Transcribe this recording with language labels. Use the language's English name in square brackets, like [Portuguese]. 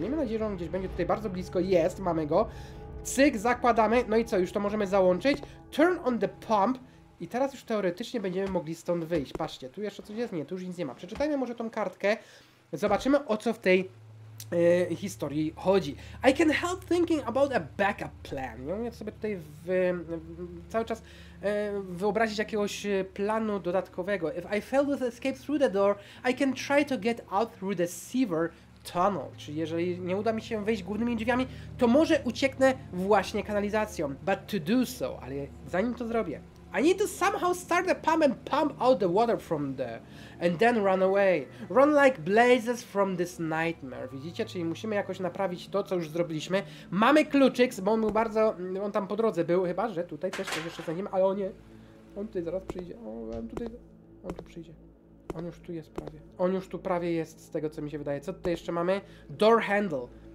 [Polish] Miejmy nadzieję, że on gdzieś będzie tutaj bardzo blisko, jest, mamy go. Cyk, zakładamy, no i co, już to możemy załączyć. [English] Turn on the pump. [Polish] I teraz już teoretycznie będziemy mogli stąd wyjść. Patrzcie, tu jeszcze coś jest? Nie, tu już nic nie ma. Przeczytajmy może tą kartkę. Zobaczymy, o co w tej historii chodzi. [English] I can help thinking about a backup plan. [Polish] Nie umiem sobie tutaj cały czas wyobrazić jakiegoś planu dodatkowego. [English] If I fail to escape through the door, I can try to get out through the sewer tunnel. [Polish] Czyli jeżeli nie uda mi się wejść głównymi drzwiami, to może ucieknę właśnie kanalizacją. [English] But to do so, [Polish] ale zanim to zrobię, [English] I need to somehow start the pump and pump out the water from there and then run away. Run like blazes from this nightmare. [Polish] Widzicie, czyli musimy jakoś naprawić to, co już zrobiliśmy. Mamy kluczyk, bo on był bardzo, on tam po drodze był, chyba że tutaj też coś jeszcze za nim, ale on nie. On tutaj zaraz przyjdzie. On tu przyjdzie. On już tu jest prawie. On już tu prawie jest z tego, co mi się wydaje. Co tutaj jeszcze mamy? Door handle.